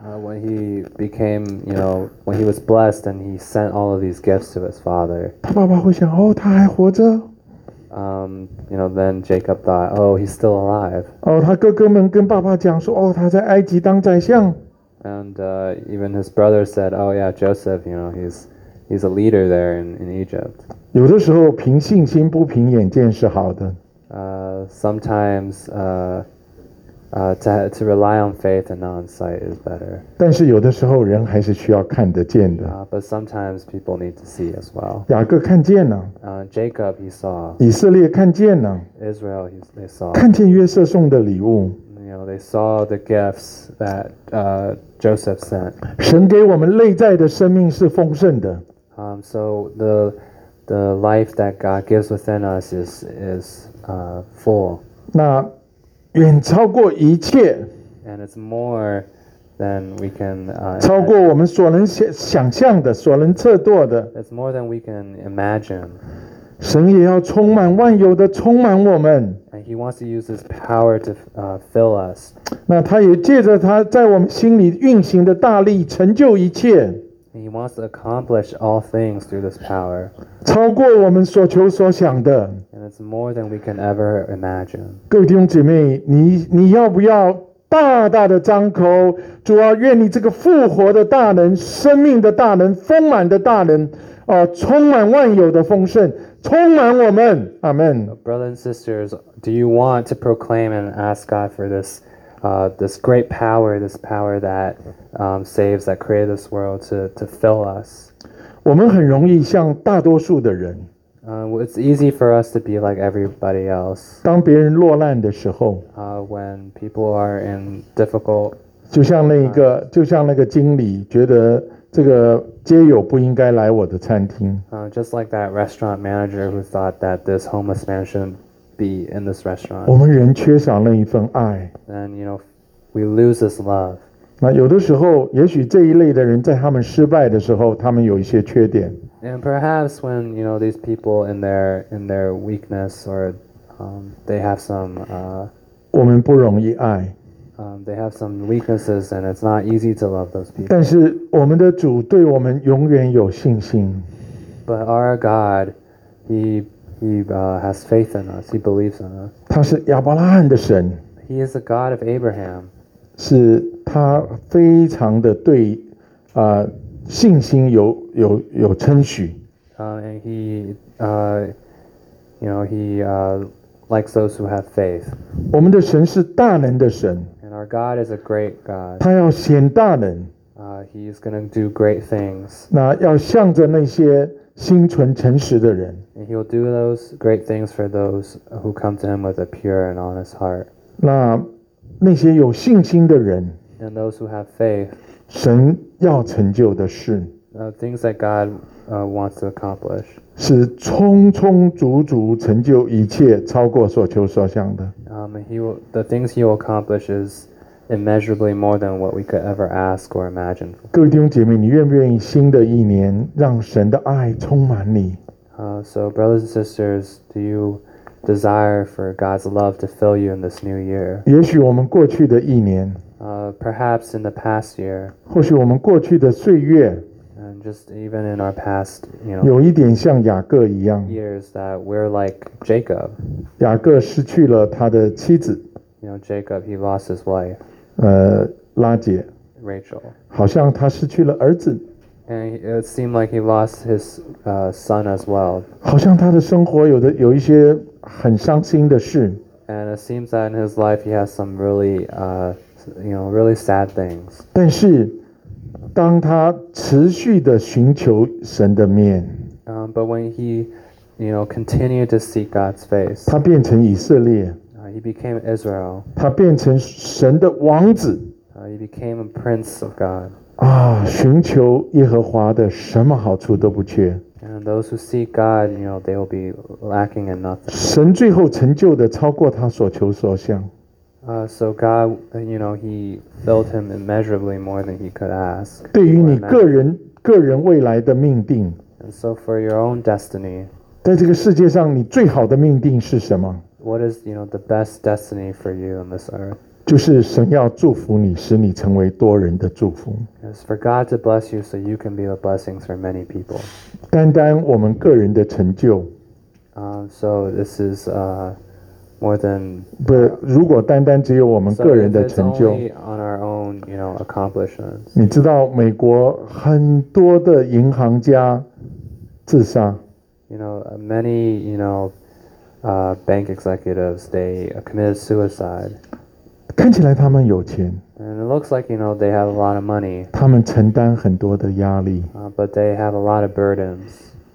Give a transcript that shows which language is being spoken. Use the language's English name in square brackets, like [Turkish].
[English] When he became, you know, when he was blessed and he sent all of these gifts to his father. [Chinese] 他爸爸会想，哦，他还活着。 [English] You know, then Jacob thought, oh, he's still alive. [Chinese] 哦，他哥哥们跟爸爸讲说，哦，他在埃及当宰相。 [English] And even his brother said, oh yeah, Joseph, you know, he's a leader there in Egypt. [Chinese] 有的时候凭信心不凭眼见是好的。 [English] Sometimes to rely on faith and not on sight is better. [Chinese] 但是有的时候人还是需要看得见的。 [English] But sometimes people need to see as well. [Chinese] 雅各看见了。 [English] Jacob he saw. [Chinese] 以色列看见了。 [English] Israel they saw. [Chinese] 看见约瑟送的礼物。 [English] You know, they saw the gifts that Joseph sent. [Chinese] 神给我们内在的生命是丰盛的。 [English] So the life that God gives within us is full. [Chinese] 那远超过一切 [English] ，and it's more than we can [Chinese] 超过我们所能想象的、所能测度的。 [English] It's more than we can imagine. [Chinese] 神也要充满万有的充满我们。 [English] And he wants to use his power to fill us. [Chinese] 那他也借着他在我们心里运行的大力成就一切。 [English] He wants to accomplish all things through this power. [Chinese] 超过我们所求所想的。 [English] And it's more than we can ever imagine. [Chinese] 各位弟兄姐妹，你要不要大大的张口？主啊，愿你这个复活的大能、生命的大能、丰满的大能，充满万有的丰盛，充满我们。 [English] Amen. Brothers and sisters, do you want to proclaim and ask God for this? This great power, this power that saves, that created this world to fill us. [Chinese] 我们很容易像大多数的人。 [English] It's easy for us to be like everybody else. [Chinese] 当别人落难的时候。 [English] When people are in difficult. [Chinese] 就像那个经理觉得这个街友不应该来我的餐厅。 [English] Just like that restaurant manager who thought that this homeless man shouldn't. Be in this restaurant. [Chinese] 我们人缺少那一份爱。 [English] And you know, we lose this love. [Chinese] 那有的时候，也许这一类的人在他们失败的时候，他们有一些缺点。 [English] And perhaps when you know these people in their weakness or they have some [Chinese] 我们不容易爱。 [English] They have some weaknesses, and it's not easy to love those people. [Chinese] 但是我们的主对我们永远有信心。 [English] But our God, He has faith in us. He believes in us. [Chinese] 他是亚伯拉罕的神。 [English] He is the God of Abraham. [Chinese] 是他非常的对信心有称许。 [English] And he, you know, likes those who have faith. [Chinese] 我们的神是大能的神。 [English] And our God is a great God. [Chinese] 他要显大能。 [English] He is going to do great things. [Chinese] 那要向着那些心存诚实的人。 [English] And he'll do those great things for those who come to him with a pure and honest heart. [Chinese] 那些有信心的人。 [English] And those who have faith. [Chinese] 神要成就的事。 [English] Things that God wants to accomplish. [Chinese] 是充充足足成就一切超过所求所想的。 [English] The things he will accomplish is immeasurably more than what we could ever ask or imagine. [Chinese] 各位弟兄姐妹，你愿不愿意新的一年让神的爱充满你？ [English] So brothers and sisters, do you desire for God's love to fill you in this new year? [Chinese] 也许我们过去的一年。 [English] Perhaps in the past year. [Chinese] 或许我们过去的岁月。 [English] And just even in our past, you know. [Chinese] 有一点像雅各一样。 [English] Years that we're like Jacob. [Chinese] 雅各失去了他的妻子。 [English] You know, Jacob, he lost his wife. [Chinese] 拉结。 [English] Rachel. [Chinese] 好像他失去了儿子。 [English] And it seemed like he lost his son as well. [Chinese] 好像他的生活有一些很伤心的事。 [English] And it seems that in his life he has some really, you know, really sad things. [Chinese] 但是，当他持续的寻求神的面。 [English] But when he, you know, continued to seek God's face. [Chinese] 他变成以色列。 [English] He became Israel. [Chinese] 他变成神的王子。 [English] He became a prince of God. [Chinese] 啊，寻求耶和华的什么好处都不缺。 [English] And those who seek God, you know, they will be lacking in nothing. [Chinese] 神最后成就的超过他所求所想。 [English] So God, you know, he filled him immeasurably more than he could ask. [Chinese] 对于你个人未来的命定。 [English] And so for your own destiny. [Chinese] 在这个世界上你最好的命定是什么？ [English] What is, you know, the best destiny for you on this earth? [Chinese] 就是神要祝福你，使你成为多人的祝福。 [English] It's for God to bless you so you can be a blessing for many people. [Chinese] 单单我们个人的成就。 [English] So this is, more than... [Chinese] 不，如果单单只有我们个人的成就。 [English] So if it's only on our own, you know, accomplishments. [Chinese] 你知道美国很多的银行家自杀。 [English] You know, many, you know,bank executives, they committed suicide. [Chinese] 看起来他们有钱。 [English] And it looks like, you know, they have a lot of money. [Chinese] 他们承担很多的压力。 [English] But they have a lot of burdens.